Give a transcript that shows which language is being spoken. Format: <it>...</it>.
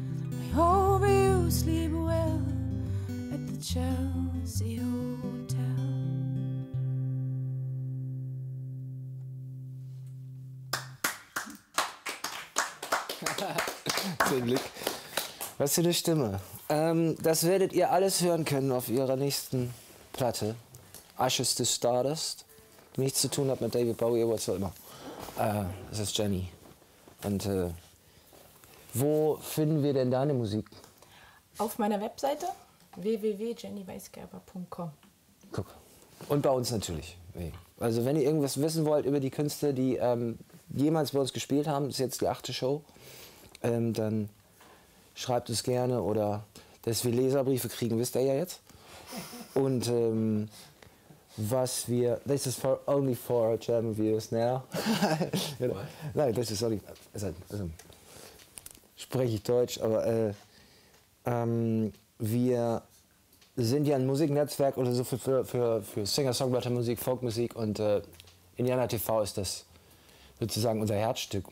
<en>We hope you sleep well at the Chelsea Hotel.</en> <de>Zum Glück. Was für eine Stimme. Das werdet ihr alles hören können auf ihrer nächsten Platte. Ashes to Stardust. Nichts zu tun hat mit David Bowie, was auch immer. Das ist Jenny. Und wo finden wir denn deine Musik? Auf meiner Webseite www.jennyweisgerber.com. Guck. Und bei uns natürlich. Also wenn ihr irgendwas wissen wollt über die Künstler, die jemals bei uns gespielt haben, ist jetzt die 8. Show, dann schreibt es gerne oder dass wir Leserbriefe kriegen, wisst ihr ja jetzt. Und was wir.</de> <en>This is for only for German viewers now.</en> <de>Nein, das ist sorry. Also, spreche ich Deutsch, aber wir sind ja ein Musiknetzwerk oder so für Singer-Songwriter-Musik, Folkmusik und INDIE AHNER TV ist das sozusagen unser Herzstück.</de>